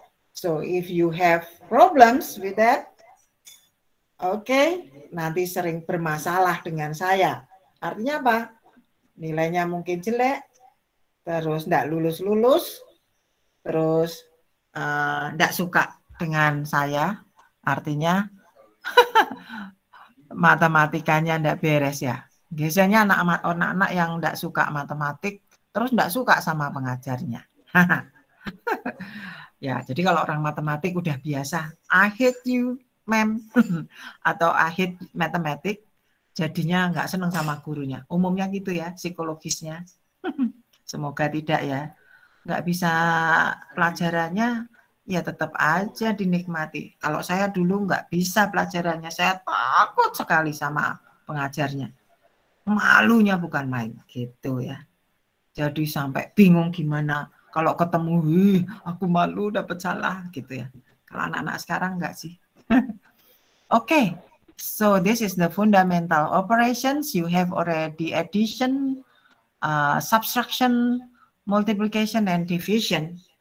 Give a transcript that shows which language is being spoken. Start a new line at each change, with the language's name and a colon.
English: So if you have problems with that, oke, okay.
Indonesian: Nanti sering bermasalah dengan saya. Artinya apa? Nilainya mungkin jelek, terus tidak lulus-lulus, terus tidak suka dengan saya. Artinya matematikanya tidak beres ya. Biasanya anak-anak yang tidak suka matematik, terus tidak suka sama pengajarnya. Ya, jadi kalau orang matematik udah biasa,
English: I hate you,
Indonesian: mem, atau I hate matematik, jadinya nggak seneng sama gurunya. Umumnya gitu ya, psikologisnya. Semoga tidak ya. Nggak bisa pelajarannya, ya tetap aja dinikmati. Kalau saya dulu nggak bisa pelajarannya, saya takut sekali sama pengajarnya. Malunya bukan main, gitu ya. Jadi sampai bingung gimana kalau ketemu, aku malu dapat salah, gitu ya. Kalau anak-anak sekarang enggak sih.
English: Oke, okay. So this is the fundamental operations. You have already addition, subtraction, multiplication, and division.